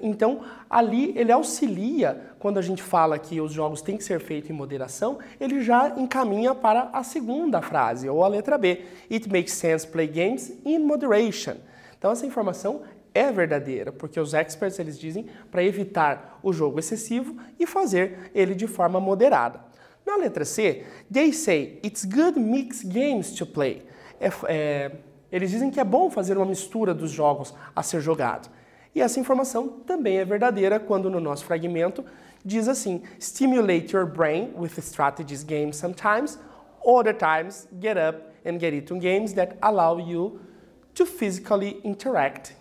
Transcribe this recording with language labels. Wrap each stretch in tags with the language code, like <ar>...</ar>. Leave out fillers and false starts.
<pt>Então, ali ele auxilia, quando a gente fala que os jogos têm que ser feitos em moderação, ele já encaminha para a segunda frase, ou a letra B.</pt> <en>It makes sense to play games in moderation.</en> <pt>Então, essa informação é verdadeira, porque os experts eles dizem para evitar o jogo excessivo e fazer ele de forma moderada. Na letra C,</pt> <en>they say it's good mix games to play.</en> <pt>Eles dizem que é bom fazer uma mistura dos jogos a ser jogado. E essa informação também é verdadeira quando no nosso fragmento diz assim,</pt> <en>stimulate your brain with strategies games sometimes, other times get up and get into games that allow you to physically interact.</en>